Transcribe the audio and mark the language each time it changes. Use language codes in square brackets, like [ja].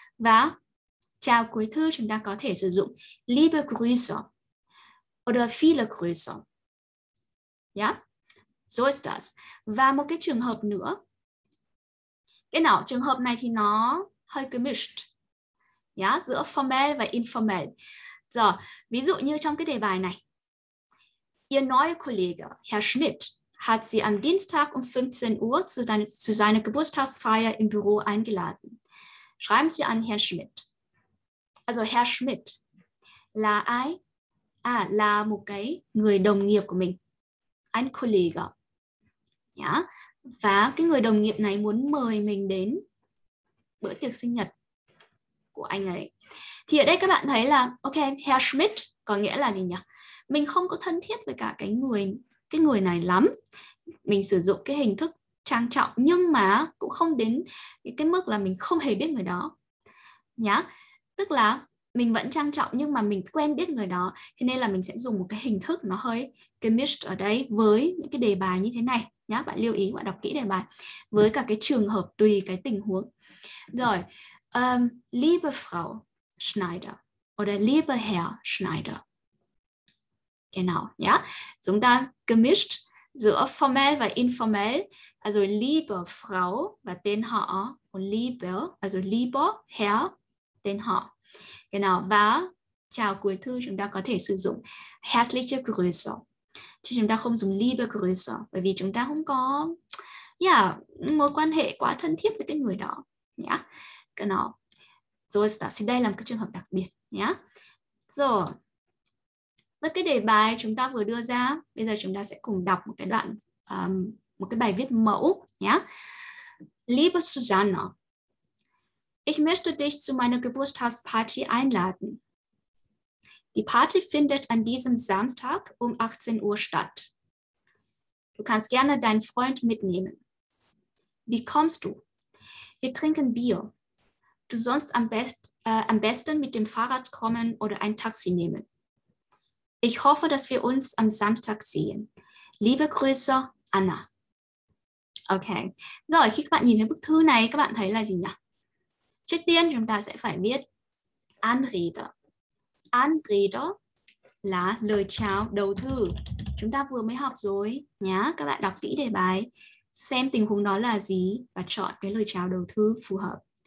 [vi] Và chào cuối thư chúng ta có thể sử dụng [de] liebe Grüße, oder viele Grüße, yeah. So ist das. [vi] Và một cái trường hợp nữa. Cái nào? Trường hợp này thì nó hơi gemischt. Yeah? Giữa formal và informal. So, ví dụ như trong cái đề bài này. [de] Ihr neuer Kollege, Herr Schmidt, hat Sie am Dienstag um 15 Uhr zu seiner Geburtstagsfeier im Büro eingeladen. Schreiben Sie an Herr Schmidt. [vi] Also Herr Schmidt là ai? À, là một cái người đồng nghiệp của mình. [de] Ein Kollege. Ja? [vi] Và cái người đồng nghiệp này muốn mời mình đến bữa tiệc sinh nhật của anh ấy. Thì ở đây các bạn thấy là ok, Herr Schmidt có nghĩa là gì nhỉ? Mình không có thân thiết với cả cái người này lắm. Mình sử dụng cái hình thức trang trọng nhưng mà cũng không đến cái mức là mình không hề biết người đó. Nhá? Tức là mình vẫn trang trọng nhưng mà mình quen biết người đó. Thế nên là mình sẽ dùng một cái hình thức nó hơi gemischt ở đây với những cái đề bài như thế này. Nhá, bạn lưu ý, bạn đọc kỹ đề bài. Với cả cái trường hợp tùy cái tình huống. [de] Rồi, liebe Frau Schneider oder liebe Herr Schneider. Genau, ja. [vi] Chúng ta gemischt giữa formal và informal. [de] Also liebe Frau [vi] và tên họ. [de] Und liebe, also liebe Herr, [vi] tên họ. Genau, và chào cuối thư chúng ta có thể sử dụng herzliche Grüße. Chứ chúng ta không dùng liebe Grüße, bởi vì chúng ta không có mối quan hệ quá thân thiết với cái người đó. nhá. Cái nó rồi ta sẽ đây làm cái trường hợp đặc biệt nhá. Rồi với cái đề bài chúng ta vừa đưa ra, bây giờ chúng ta sẽ cùng đọc một cái đoạn một cái bài viết mẫu nhá. [de] Liebe Susanne, ich möchte dich zu meiner Geburtstagsparty einladen. Die Party findet an diesem Samstag um 18 Uhr statt. Du kannst gerne deinen Freund mitnehmen. Wie kommst du? Wir trinken Bier. Du sollst am besten mit dem Fahrrad kommen oder ein Taxi nehmen. Ich hoffe, dass wir uns am Samstag sehen. Liebe Grüße, Anna. Okay. [vi] Rồi, khi các bạn nhìn thấy bức thư này, các bạn thấy là gì nhỉ? Trước tiên, chúng ta sẽ phải biết Anrede. Anrede là lời chào đầu thư. Chúng ta vừa mới học rồi nhá. Các bạn đọc kỹ đề bài, xem tình huống đó là gì và chọn cái lời chào đầu thư phù hợp.